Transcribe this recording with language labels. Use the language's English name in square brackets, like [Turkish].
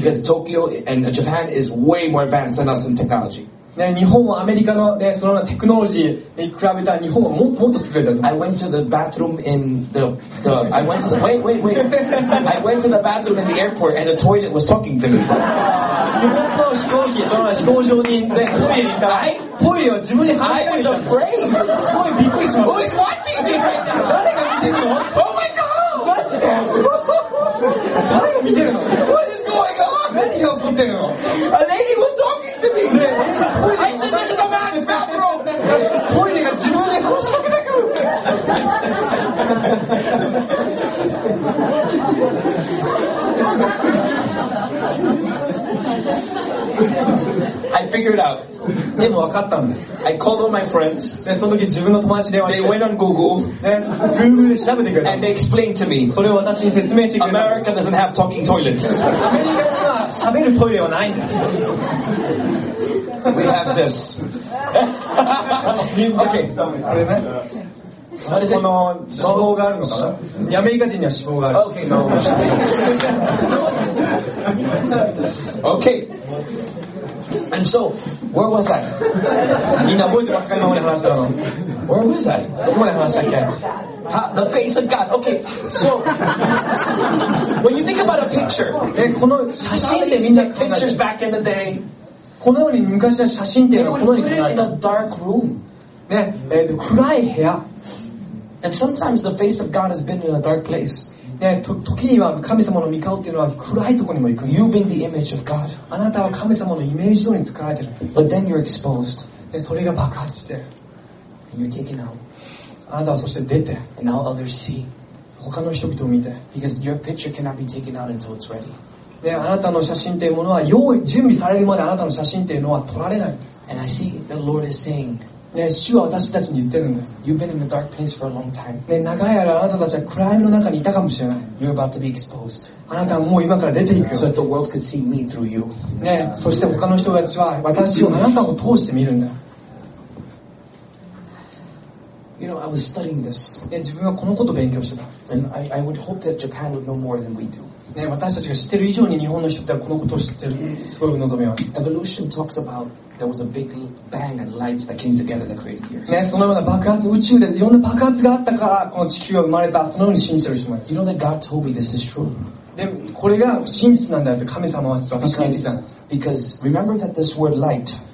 [English] because Tokyo and Japan is way more advanced than us in technology. [Japanese] 日本はアメリカの、そのようなテクノロジーに比べたら日本はもっと優れてる。 [English] I went to the bathroom in the I went to the I went to the bathroom in the airport and the toilet was talking to me. [Japanese] 日本の飛行機、その飛行場にね、トイレに行ったら、トイレは自分に話しかけてた。 [English] I was afraid. [Japanese] すごいびっくりしました。 [English] Who is watching me right now? [Japanese] 誰が見てるの？ [English] Oh my God! [Japanese] マジで？ [English] What is going on? A lady was talking to me. I said, "This is a man's bathroom." [Japanese] Toilet が自分で話しかけてくる。 [English] I figured out. [Japanese] でも分かったんです。 [English] I called all my friends. [Japanese] でその時自分の友達電話して。 [English] They went on Google. [Japanese] で Google で調べてくれた。 [English] And they explained to me. [Japanese] それを私に説明してくれた。 [English] America doesn't have talking toilets. [Japanese] アメリカには喋るトイレはないんです。 [English] We have this. [Japanese] okay. あれね。 [English] What is it? [Japanese] この脂肪があるのかな。アメリカ人には脂肪がある。 [English] Okay. No. okay. And so, where was I? [Japanese] みんな覚えてますか今まで話したの。 [English] Where was I? [Japanese] どこまで話したっけ。 [English] The face of God. Okay. So, when you think about a picture, [Japanese] この写真でみんな考えて。 [English] Pictures back in the day. [Japanese] このように昔の写真っていうのはこのように考えて。 [English] They would put it in a dark room. [Japanese] ね、暗い部屋。 [English] And sometimes the face of God has been in a dark place. [Japanese] ね、時には神様の御顔っていうのは暗いところにも行く。 [English] You've been the image of God. [Japanese] あなたは神様のイメージ通りに作られてる。 [English] But then you're exposed. [Japanese] で、それが爆発してる。 [English] And you're taken out. [Japanese] あなたはそして出て。 [English] And now others see. [Japanese] 他の人々を見て。 [English] Because your picture cannot be taken out until it's ready. [Japanese] で、あなたの写真っていうものは用意、準備されるまであなたの写真っていうのは撮られない。 [English] And I see the Lord is saying. [Japanese] ね、主は私たちに言ってるんです。 [English] You've been in a dark place for a long time. [Japanese] ね、長い間あなたたちは暗闇の中にいたかもしれない。 [English] You're about to be exposed. [Japanese] あなたはもう今から出ていくよ。 [English] So that the world could see me through you. [Japanese] ね、そして他の人たちは私をあなたを通して見るんだ。 [English] You know, I was studying this. [Japanese] ね、自分はこのことを勉強してた。 [English] And I would hope that Japan would know more than we do. [Japanese] ね、私たちが知ってる以上に日本の人ってこのことを知ってる、すごい望みます。 [English] Evolution talks about there was a big bang and lights that came together that created the earth. [Japanese] ね、そのような爆発、宇宙でいろんな爆発があったからこの地球が生まれた、そのように信じてる人もいる。 [English] You know that God told me this is true. [Japanese] で、これが真実なんだよって神様は私に言ってたんです。 [English] Because remember that this word light.